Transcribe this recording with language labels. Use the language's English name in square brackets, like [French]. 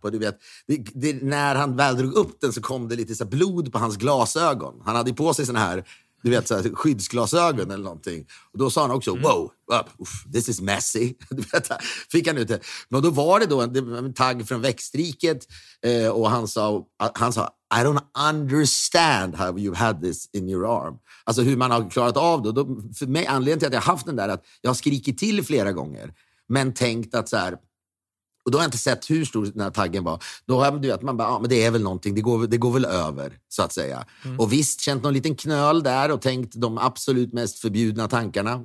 [Swedish] Och du vet, när han väl drog upp den så kom det lite så blod på hans glasögon. Han hade på sig sån här, du vet, så här, skyddsglasögon eller någonting. Och då sa han också, [English] wow, this is messy. [Swedish] Du vet, fick han ut det. Men då var det då en tagg från växtriket. Och han sa, [English] I don't understand how you've had this in your arm. [Swedish] Alltså hur man har klarat av det. För mig, anledningen till att jag haft den där, att jag har skrikit till flera gånger. Men tänkt att så här, Och då har jag inte sett hur stor den här taggen var. Då har jag, du vet, man bara, ja, men det är väl någonting. Det går väl över, så att säga. Mm. Och visst, känt någon liten knöl där och tänkt de absolut mest förbjudna tankarna.